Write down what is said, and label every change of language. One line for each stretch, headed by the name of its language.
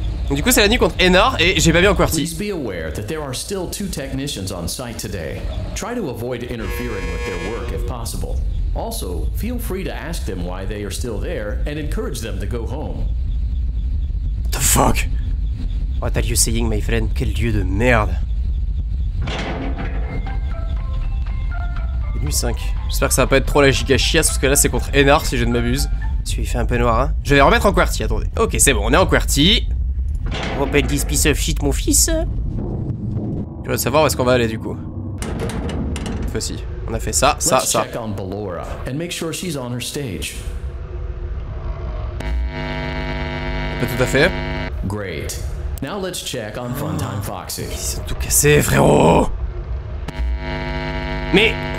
French: Du coup, c'est la nuit contre Ennard et j'ai pas bien en QWERTY.
English: Please be aware that there are still 2 technicians on site today. Try to avoid interfering with their work if possible. Also, feel free to ask them why they are still there and encourage them to go home. The fuck? What are you saying, my friend?
French: Quel lieu de merde. Nuit 5. J'espère que ça va pas être trop la giga chiasse parce que là, c'est contre Ennard si je ne m'abuse. Tu lui fais un peu noir, hein. Je vais remettre en QWERTY, attendez. Ok, c'est bon, on est en QWERTY.
English: Open this piece of shit,
French: mon fils. Je veux savoir où est-ce qu'on va aller du coup. Voici, on a fait ça, ça,
English: let's
French: ça.
English: Check on Ballora and make sure she's on her stage.
French: Pas tout à fait.
English: Great. Now let's check on Funtime Foxy.
French: Ils sont tout cassés, frérot. Mais.